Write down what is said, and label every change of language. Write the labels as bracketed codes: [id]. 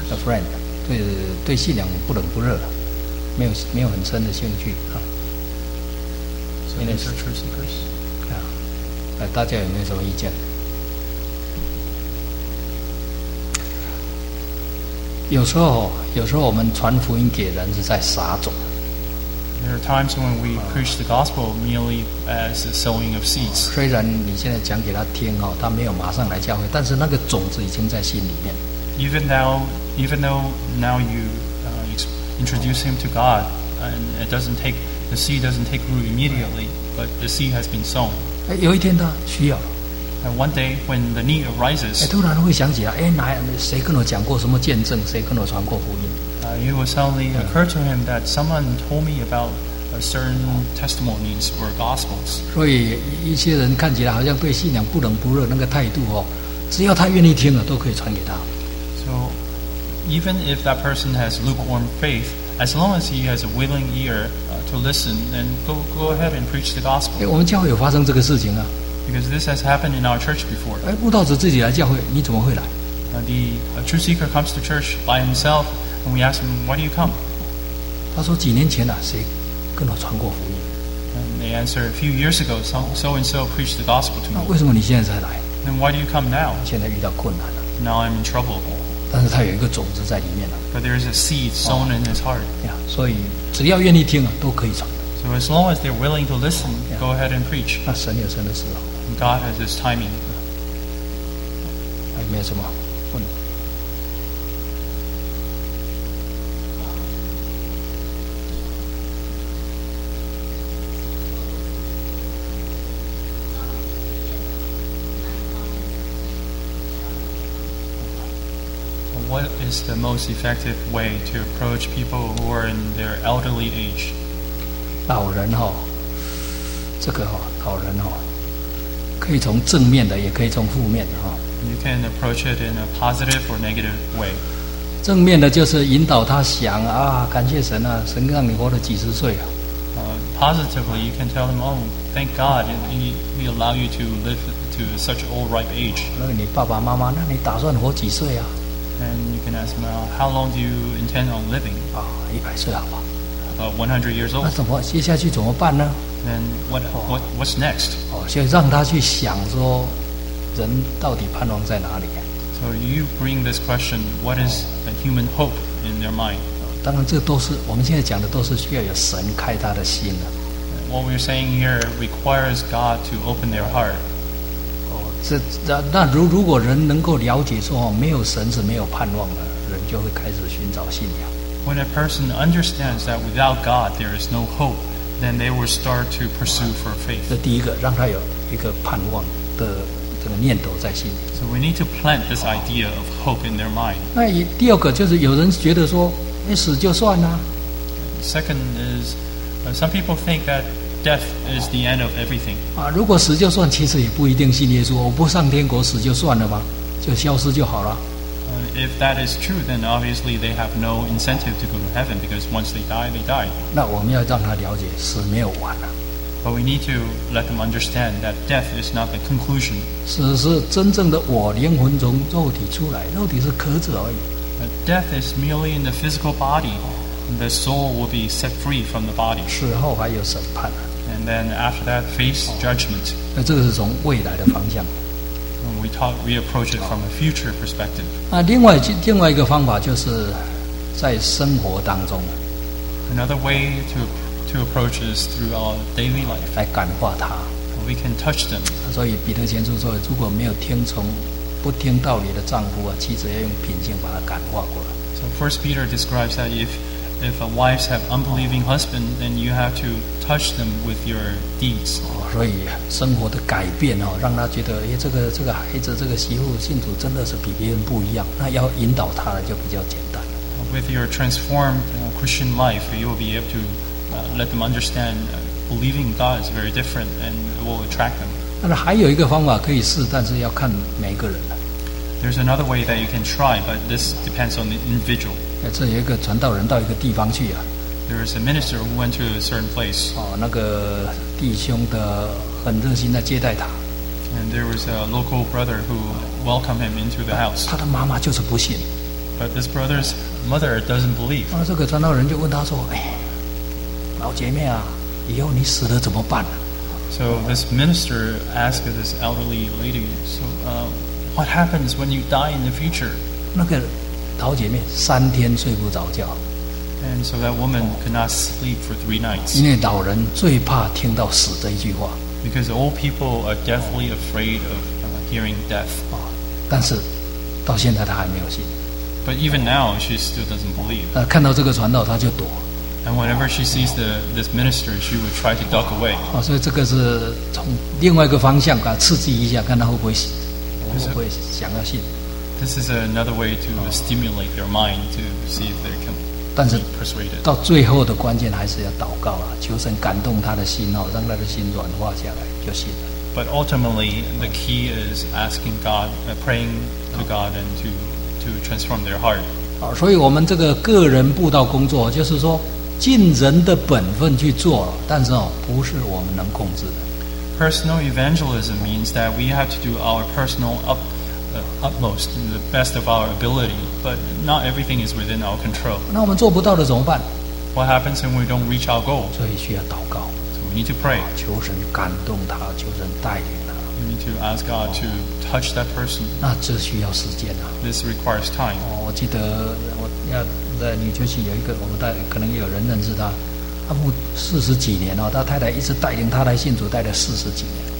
[en] ， a friend， [zh] 对信仰不冷不热，没有很深的兴趣啊。 [en] So these are true seekers。 [zh] 大家有没有什么意见？有时候我们传福音给人是在撒种。 [en] There are times when we preach the gospel merely as a sowing of seeds. [zh] 虽然你现在讲给他听哦，他没有马上来教会，但是那个种子已经在心里面。 [en] Even though now you introduce him to God, and the seed doesn't take root immediately, but the seed has been sown. [zh] 有一天他需要 [en] And one day when the need arises [zh] 突然会想起来谁跟我讲过什么见证谁跟我传过福音 [en] It will suddenly occur to him that someone told me about certain testimonies or gospels [zh] 所以一些人看起来好像对信仰不冷不热那个态度只要他愿意听了都可以传给他 [en] So even if that person has lukewarm faithAs long as he has a willing ear to listen, then go ahead and preach the gospel. [zh] 我们教会有发生这个事情啊。 [en] Because this has happened in our church before. [zh] 慕道者自己来教会，你怎么会来？ [en] The true seeker comes to church by himself, and we ask him, "Why do you come?" [zh] 他说几年前谁跟我传过福音？ [en] And they answer, "A few years ago, so and so preached the gospel to me." [zh] 那为什么你现在才来？ [en] Then why do you come now? [zh] 现在遇到困难了。 [en] Now I'm in trouble. [zh] 但是他有一个种子在里面了。 [en] But there is a seed sown in his heart. [zh] Yeah, 所以只要愿意听都可以传。 [en] So as long as they're willing to listen, go ahead and preach. [zh] 那神有神的时候。 [en] And God has his timing. [zh] 还有没有什么问题？ [en] what is the most effective way to approach people who are in their elderly age? [zh] 老人哦，这个哦，老人哦，可以从正面的，也可以从负面的哦。 [en] You can approach it in a positive or negative way. [zh] 正面的就是引导他想啊，感谢神啊，神让你活了几十岁啊。 [en] Positively, you can tell him, oh, thank God, he allow you to live to such old ripe age. [zh] 那你爸爸妈妈，那你打算活几岁啊？ [en] And you can ask him, how long do you intend on living? [zh] 啊，一百岁好不好？ [en] About 100 years old. [zh] 那怎么接下去怎么办呢？ [en] Then what's next? [zh] 哦，所以让他去想说，人到底盼望在哪里？ [en] So you bring this question, what is a human hope in their mind? [zh] 当然，这都是我们现在讲的，都是需要有神开他的心的。 [en] What we're saying here requires God to open their heart. [zh] 哦，这那如果人能够了解说，没有神是没有盼望的，人就会开始寻找信仰。 [en] When a person understands that without God there is no hope, then they will start to pursue for faith. [zh] 这第一个，让他有一个盼望的这个念头在心里。 [en] So we need to plant this idea of hope in their mind. [zh] 那第二个就是有人觉得说。死就算啦。 [en] Second is, some people think that death is the end of everything. [zh] 啊，如果死就算，其实也不一定信耶稣。我不上天国，死就算了吧，就消失就好了。 [en] If that is true, then obviously they have no incentive to go to heaven because once they die, they die. [zh] 那我们要让他了解，死没有完了。 [en] But we need to let them understand that death is not the conclusion. [zh] 死是真正的我灵魂从肉体出来，肉体是壳子而已。 [en] Death is merely in the physical body. The soul will be set free from the body. [zh] 死后还有审判。 [en] And then after that, face judgment. [zh] 那这个是从未来的方向。 [en] We approach it from a future perspective. [zh] 那另外一个方法就是在生活当中。 [en] Another way to approach is through our daily life. [zh] 来感化他。 [en] We can touch them. [zh] 所以彼得前书说，如果没有听从。不听道理的丈夫啊，妻子要用品性把他感化过来。 [en] So First Peter describes that if a wives have unbelieving husband, then you have to touch them with your deeds. [zh] 所以生活的改变哦，让他觉得，哎，这个孩子，这个媳妇信主真的是比别人不一样。那要引导他就比较简单。 [en] With your transformed Christian life, you will be able to let them understand believing God is very different and will attract them. [zh] 但是还有一个方法可以试，但是要看每个人。 [en] There's another way that you can try, but this depends on the individual. [zh] 这有一个传道人到一个地方去啊。 [en] There is a minister who went to a certain place. [zh] 哦，那个弟兄的很热心的接待他。 [en] And there was a local brother who welcomed him into the house. [zh] 他的妈妈就是不信。 [en] But this brother's mother doesn't believe. [zh] 啊，这个传道人就问他说：“哎，老姐妹啊，以后你死了怎么办？” [en] So this minister asked this elderly lady, "So, what happens when you die in the future?" [zh] 那个老姐妹三天睡不着觉。 [en] And so that woman could not sleep for three nights. [zh] 因为老人最怕听到死这一句话。 [en] Because old people are deathly afraid of hearing death. [zh] 啊，但是到现在她还没有信。 [en] But even now, she still doesn't believe. [zh] 看到这个传道，她就躲。 [en] And whenever she sees this minister, she would try to duck away. [zh] 哦，所以这个是从另外一个方向给他刺激一下，看他会不会想要信。 [en] This is another way to stimulate their mind to see if they can. [zh] 但是 [en] persuaded. [zh] 到最后的关键还是要祷告啊，求神感动他的心哦，让他的心软化下来就信了。 [en] But ultimately, the key is asking God, praying to God, and to transform their heart. [zh] 哦，所以我们这个个人布道工作就是说。尽人的本分去做，但是哦，不是我们能控制的。 [en] Personal evangelism means that we have to do our personal utmost, the best of our ability, but not everything is within our control. [zh] 那我们做不到的怎么办 [en] ？What happens when we don't reach our goal? [zh] 所以需要祷告。 [en] So we need to pray. [zh] 求神感动他，求神带领他。 [en] We need to ask God to touch that person. [zh] 那这需要时间啊。 [en] This requires time. [zh] 哦，我记得我要。在纽约有一个，我们大可能有人认识他，他牧四十几年了，他太太一直带领他来信主，带了四十几年。